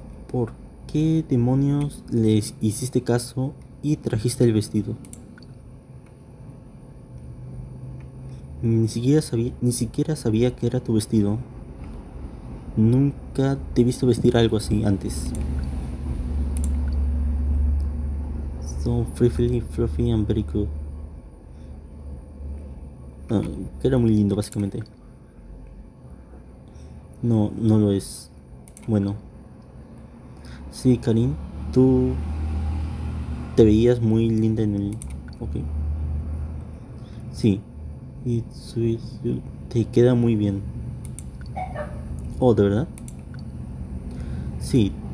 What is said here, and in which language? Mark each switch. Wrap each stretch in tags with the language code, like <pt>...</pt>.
<es>¿Por qué demonios les hiciste caso y trajiste el vestido? Ni siquiera sabía que era tu vestido. Nunca te he visto vestir algo así antes.</es> <en>So frilly, fluffy and very cool.</en> <es>Que era muy lindo básicamente. No, no lo es. Bueno. Sí, Karin, tú te veías muy linda en el... Ok. Sí. Y te queda muy bien. Oh, ¿de verdad? Sí.</es>